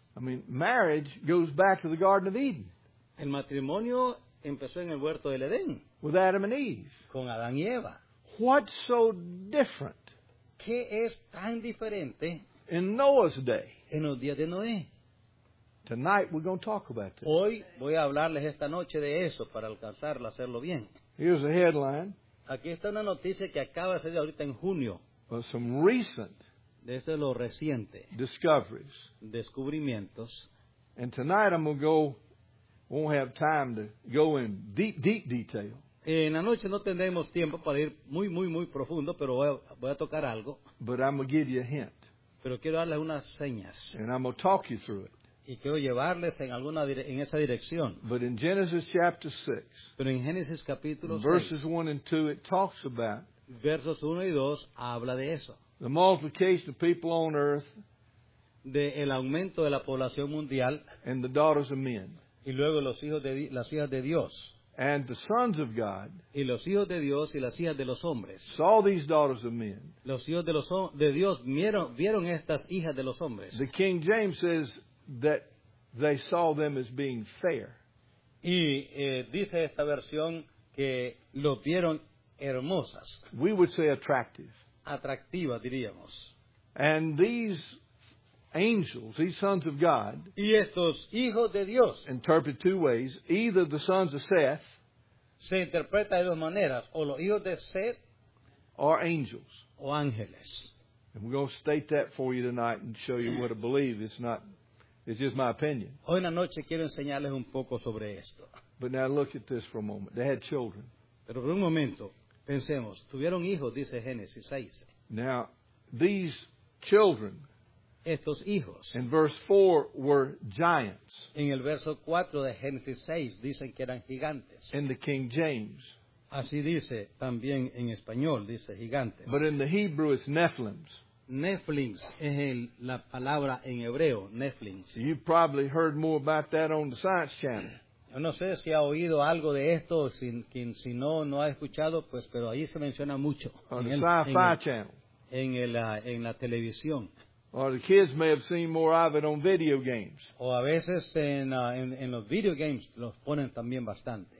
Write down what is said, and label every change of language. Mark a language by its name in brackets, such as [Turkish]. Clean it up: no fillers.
[English] I mean, marriage goes back to the Garden of Eden. [Spanish] El matrimonio empezó en el huerto del Edén. [English] With Adam and Eve. [Spanish] Con Adán y Eva. [English] What's so different? [Spanish] ¿Qué es tan diferente? [English] In Noah's day. [Spanish] En los días de Noé. [English] Tonight we're going to talk about this. [Spanish] Hoy voy a hablarles esta noche de eso para alcanzarlo, hacerlo bien. [English] Here's a headline. [Spanish] Aquí está una noticia que acaba de salir ahorita en junio. [English] Of some recent. [Spanish] Desde lo reciente. [English] Discoveries. [Spanish] Descubrimientos. [English] And tonight I'm going to go. Won't have time to go in deep, deep detail. [Spanish] En la noche no tendremos tiempo para ir muy, muy, muy profundo, pero voy a tocar algo. [English] But I'm going to give you a hint. [Spanish] Pero quiero darle unas señas. [English] And I'm going to talk you through it. [Spanish] Y quiero llevarles en esa dirección. [English] But in Genesis chapter 6, [Spanish] pero en Génesis capítulo 6, [English] verses 1 and 2, it talks about [Spanish] versos 1 y 2, habla de eso. [English] The multiplication of people on earth, [Spanish] de el aumento de la población mundial, [English] and the daughters of men, [Spanish] y luego los hijos de las hijas de Dios, [English] and the sons of God, [Spanish] y los hijos de Dios y las hijas de los hombres, [English] saw these daughters of men, [Spanish] los hijos de Dios vieron estas hijas de los hombres. [English] The King James says that they saw them as being fair. [Spanish] Y dice esta versión que los vieron hermosas. [English] We would say attractive. [Spanish] Atractiva, diríamos. [English] And these angels, these sons of God, [Spanish] y estos hijos de Dios, [English] interpret two ways. Either the sons of Seth, [Spanish] se interpreta de dos maneras, o los hijos de Seth, [English] or angels, [Spanish] o ángeles. [English] And we're going to state that for you tonight and show you what to believe. It's just my opinion. [Spanish] Hoy en la noche quiero enseñarles un poco sobre esto. [English] But now look at this for a moment. They had children. [Spanish] Pero por un momento, pensemos. Tuvieron hijos, dice Génesis 6. [English] Now, these children, [Spanish] estos hijos, [English] in verse 4, were giants. [Spanish] En el verso 4 de Génesis 6, dicen que eran gigantes. [English] In the King James. [Spanish] Así dice también en español, dice gigantes. [English] But in the Hebrew, it's Nephilims. [Spanish] Nephilims es la palabra en hebreo, Nephilims. [English] You've probably heard more about that on the Science Channel. [Spanish] Yo no sé si ha oído algo de esto, si no ha escuchado, pues, pero ahí se menciona mucho. [English] On the Sci-Fi Channel. [Spanish] En la televisión. [English] Or the kids may have seen more of it on video games. [Spanish] O a veces en los video games los ponen también bastante.